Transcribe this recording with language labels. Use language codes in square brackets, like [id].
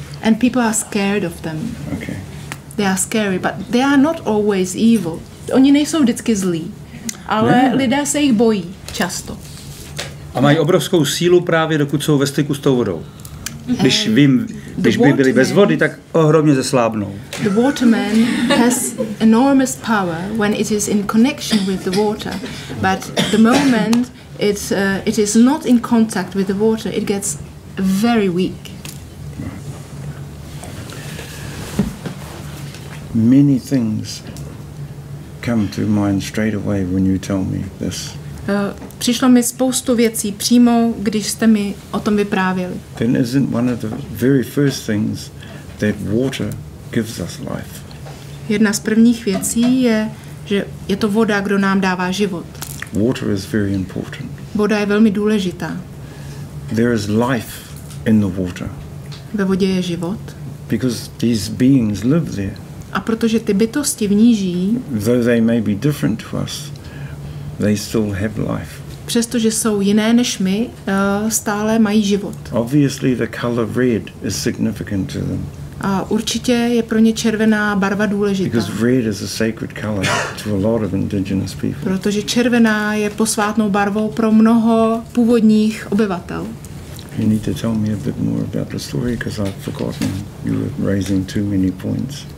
[en] And people are scared of them. Okay. They are scary, but they are not always evil. [cs] Oni nejsou vždycky zlí, ale lidé se jich bojí často. A mají obrovskou sílu právě, dokud jsou ve styku s tou vodou. Když vím, když by byli bez vody, tak ohromně zeslábnou. [en] The waterman has enormous power when it is in connection with the water, but the moment it is not in contact with the water, it gets very weak. Many things come to mind straight away when you tell me this. [cs] Přišlo mi spoustu věcí přímo, když jste mi o tom vyprávěli. [en] Then isn't one of the very first things that water gives us life. [cs] Jedna z prvních věcí je, že je to voda, kdo nám dává život. [en] Water is very important. [cs] Voda je velmi důležitá. [en] There is life in the water. [cs] Ve vodě je život. [en] Because these beings live there. [cs] A protože ty bytosti v ní žijí. [en] Though they may be different to us. They still have life. [cs] Přestože jsou jiné než my, stále mají život. [en] Obviously the color red is significant to them. [cs] A určitě je pro ně červená barva důležitá. [en] Because red is a sacred color to a lot of indigenous people. [cs] Protože červená je posvátnou barvou pro mnoho původních obyvatel. [en] You need to tell me a bit more about the story, because I've forgotten. You were raising too many points.